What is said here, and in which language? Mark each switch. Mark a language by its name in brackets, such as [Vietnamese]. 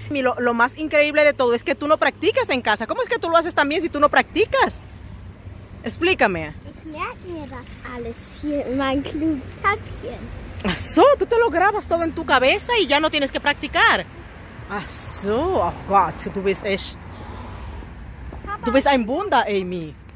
[Spanish] Y lo más increíble de todo es que tú no practicas en casa. ¿Cómo es que tú lo haces también si tú no practicas? Explícame. [German] Ich merke mir das alles hier in meinem Klubkäppchen. Ach so, [Spanish] tú te lo grabas todo en tu cabeza y ya no tienes que practicar. [German] Ach so, oh Gott, du bist echt. Du bist ein Wunder, Amy.